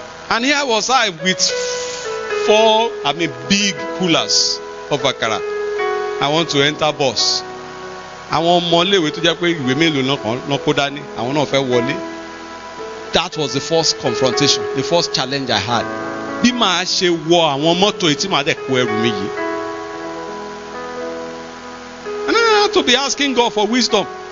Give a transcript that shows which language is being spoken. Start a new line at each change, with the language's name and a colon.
English: And here was I with 4 big coolers of akara. I want to enter bus.
Yoruba: Àwọn ọmọ iléèwé tó jẹ́ pé ìwé mélòó náà lọ́n kó dání, àwọn náà fẹ́ wọlé.
English: That was the first confrontation, the first challenge I had.
Yoruba: Bí màá ṣe wọ àwọn mọ́tò yìí tí màá dẹ̀ kó ẹrù mi yìí.
English: And then I had to be asking God for wisdom.